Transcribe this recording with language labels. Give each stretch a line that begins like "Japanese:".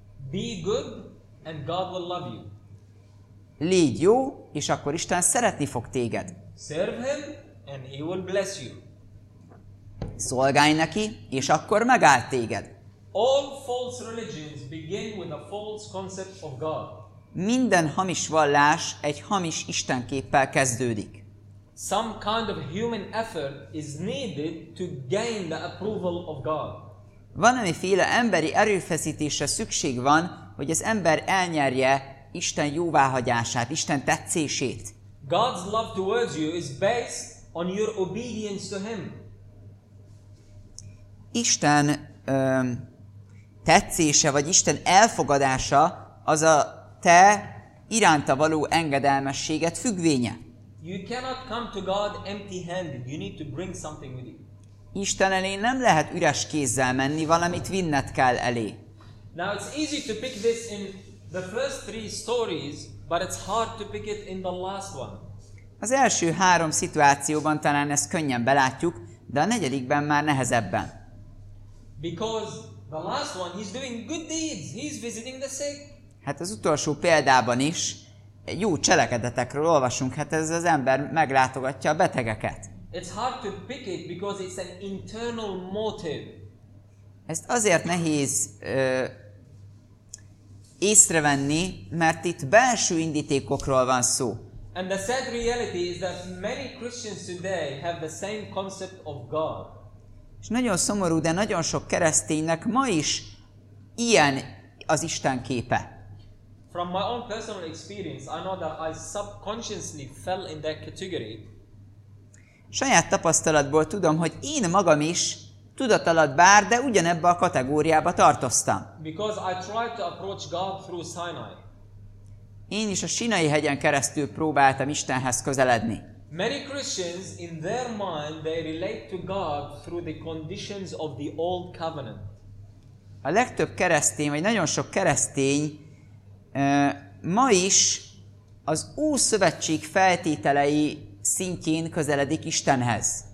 English: Be good, and God will love you.
Hungarian: Légy jó, és akkor Isten szeretni fog téged.
English: Serve him, and he will bless you.
Hungarian: Szolgálj neki, és akkor megáll téged.
English: All false religions begin with a false concept of God.
Hungarian: Minden hamis vallás egy hamis istenképpel kezdődik.
English: Some kind of human effort is needed to gain the approval of God.
Hungarian: Valamiféle emberi erőfeszítésre szükség van, hogy az ember elnyerje Isten jóváhagyását, Isten tetszését.
English: God's love towards you is based on your obedience to him.
Hungarian: Isten tetszése, vagy Isten elfogadása az a te iránta való engedelmességet függvénye.
English: You cannot come to God empty-handed. You need to bring something with you.
Hungarian: Isten elé nem lehet üres kézzel menni, valamit vinned kell elé.
English: Now it's easy to pick this in the first three stories, but it's hard to pick it in the last one.
Hungarian: Az első három szituációban talán ezt könnyen belátjuk, de a negyedikben már nehezebben.
English: Because the last one, he's doing good deeds. He's visiting the sick.
Hungarian: Hát az utolsó példában is jó cselekedetekről olvasunk, hát ez az ember meglátogatja a betegeket.
English: It's hard to pick it because it's an internal motive.
Hungarian: Ezt azért nehéz észrevenni, mert itt belső indítékokról van szó.
English: And the sad reality is that many Christians today have the same concept of God.
Hungarian: És nagyon szomorú, de nagyon sok kereszténynek ma is ilyen az Isten képe.
English: From my own personal experience, I know that I subconsciously fell in that category.
Hungarian: Saját tapasztalatból tudom, hogy én magam is tudatalat bár, de ugyanebbe a kategóriába tartoztam.
English: Because I tried to approach God through Sinai.
Hungarian: Én is a Sinai hegyen keresztül próbáltam Istenhez közeledni.
English: Many Christians in their mind they relate to God through the conditions of the old covenant.
Hungarian: A legtöbb keresztény, vagy nagyon sok keresztény ma is az Ószövetség feltételei szintjén közeledik Istenhez.